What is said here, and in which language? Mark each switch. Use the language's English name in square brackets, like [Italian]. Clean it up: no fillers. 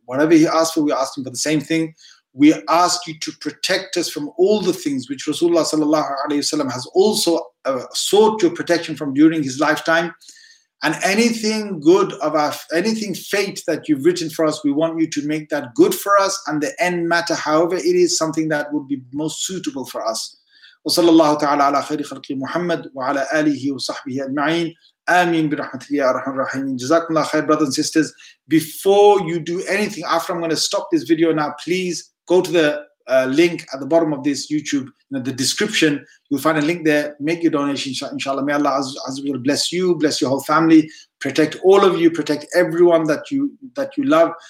[English] Whatever he asked for, we ask him for the same thing. We ask you to protect us from all the things which Rasulullah sallallahu alayhi wa sallam has also sought your protection from during his lifetime. And anything good of our, anything fate that you've written for us, we want you to make that good for us. And the end matter, however it is, something that would be most suitable for us. [Arabic] وصلى الله تعالى على خير خلق محمد وعلى آله وصحبه أجمعين آمين برحمته يا رحمن الرحيم جزاكم الله خير [English] brothers and sisters. Before you do anything, after I'm going to stop this video now, please go to the link at the bottom of this YouTube, the description. You'll find a link there. Make your donation, inshallah. May Allah Azza wa Jalla bless you, bless your whole family, protect all of you, protect everyone that you love.